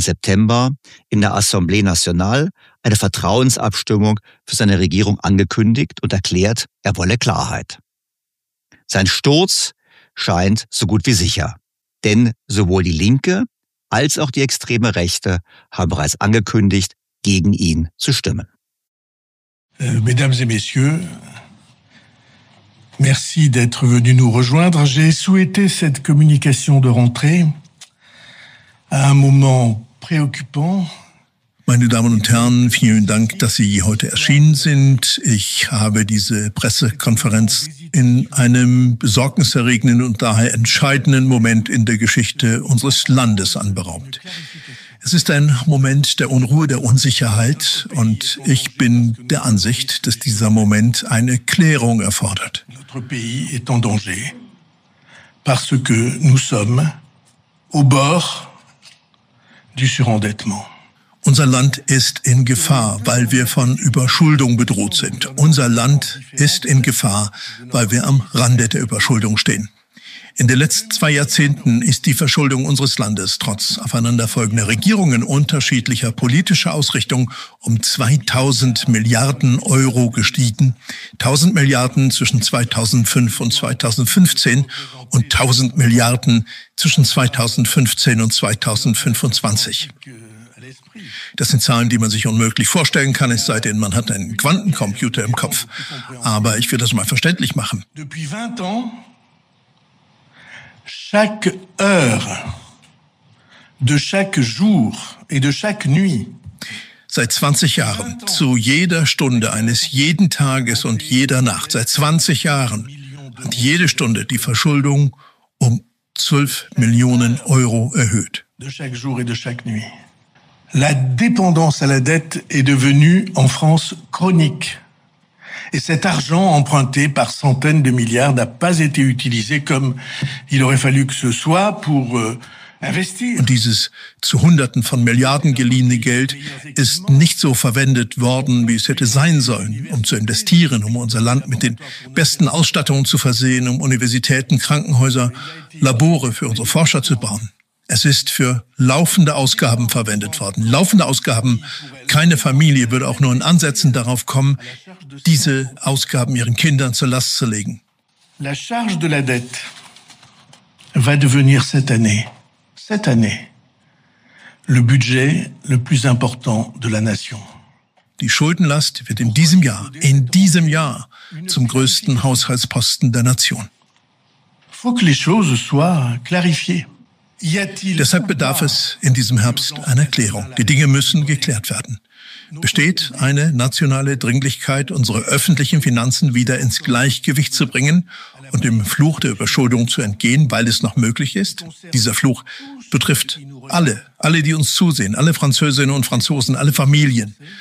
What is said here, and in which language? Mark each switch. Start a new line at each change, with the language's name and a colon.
German: September in der Assemblée Nationale eine Vertrauensabstimmung für seine Regierung angekündigt und erklärt, er wolle Klarheit. Sein Sturz scheint so gut wie sicher, denn sowohl die Linke als auch die extreme Rechte haben bereits angekündigt, gegen ihn zu stimmen.
French: Mesdames et messieurs, merci d'être venu nous rejoindre. J'ai souhaité cette communication de rentrée à un moment préoccupant.
German: Meine Damen und Herren, vielen Dank, dass Sie heute erschienen sind. Ich habe diese Pressekonferenz in einem besorgniserregenden und daher entscheidenden Moment in der Geschichte unseres Landes anberaumt. Es ist ein Moment der Unruhe, der Unsicherheit, und ich bin der Ansicht, dass dieser Moment eine Klärung erfordert.
French: Notre pays est en danger parce que nous sommes au bord du surendettement.
German: Unser Land ist in Gefahr, weil wir von Überschuldung bedroht sind. Unser Land ist in Gefahr, weil wir am Rande der Überschuldung stehen. In den letzten 2 Jahrzehnten ist die Verschuldung unseres Landes trotz aufeinanderfolgender Regierungen unterschiedlicher politischer Ausrichtung um 2.000 Milliarden Euro gestiegen. 1.000 Milliarden zwischen 2005 und 2015 und 1.000 Milliarden zwischen 2015 und 2025. Das sind Zahlen, die man sich unmöglich vorstellen kann, es sei denn, man hat einen Quantencomputer im Kopf. Aber ich will das mal verständlich machen.
French: Depuis 20 ans, chaque heure, de chaque jour et de chaque nuit.
German: Seit 20 Jahren, zu jeder Stunde eines jeden Tages und jeder Nacht, seit 20 Jahren hat jede Stunde die Verschuldung um 12 Millionen Euro erhöht.
French: De chaque jour et de chaque nuit. La dépendance à la dette est devenue en France chronique. Et cet argent emprunté par centaines de milliards n'a pas été utilisé comme il aurait fallu que ce soit pour investir.
German: Und dieses zu Hunderten von Milliarden geliehene Geld ist nicht so verwendet worden, wie es hätte sein sollen, um zu investieren, um unser Land mit den besten Ausstattungen zu versehen, um Universitäten, Krankenhäuser, Labore für unsere Forscher zu bauen. Es ist für laufende Ausgaben verwendet worden. Laufende Ausgaben. Keine Familie würde auch nur in Ansätzen darauf kommen, diese Ausgaben ihren Kindern zur Last zu legen.
French: La charge de la dette va devenir cette année, le budget le plus important de la nation.
German: Die Schuldenlast wird in diesem Jahr zum größten Haushaltsposten der Nation.
French: Faut que les choses soient clarifiées.
German: Deshalb bedarf es in diesem Herbst einer Klärung. Die Dinge müssen geklärt werden. Besteht eine nationale Dringlichkeit, unsere öffentlichen Finanzen wieder ins Gleichgewicht zu bringen und dem Fluch der Überschuldung zu entgehen, weil es noch möglich ist? Dieser Fluch betrifft alle, die uns zusehen, alle Französinnen und Franzosen, alle Familien.